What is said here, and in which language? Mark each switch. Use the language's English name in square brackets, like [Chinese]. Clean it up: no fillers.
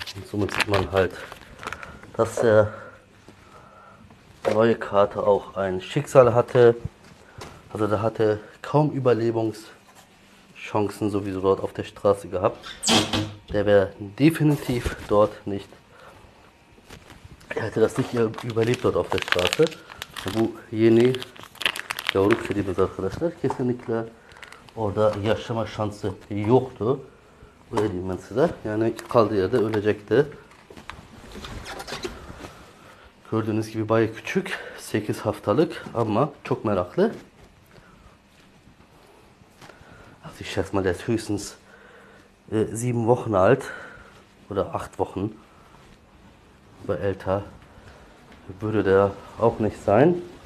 [German] Somit sieht man halt, dass der neue Kater auch ein Schicksal hatte. Also der hatte kaum Überlebenschancen sowieso dort auf der Straße gehabt. Der wäre definitiv dort nicht, er hätte das nicht überlebt dort auf der Straße. [Turkish] Bu yeni yavru kedimiz arkadaşlar kesinlikle orada yaşama şansı yoktu. Vereyim ben size. Yani kaldığı yerde ölecekti. Gördüğünüz gibi bayağı küçük. 8 haftalık ama çok meraklı. [German] Also ich schätze mal, der ist höchstens 7 Wochen alt. Oder 8 Wochen. Aber älter würde der auch nicht sein.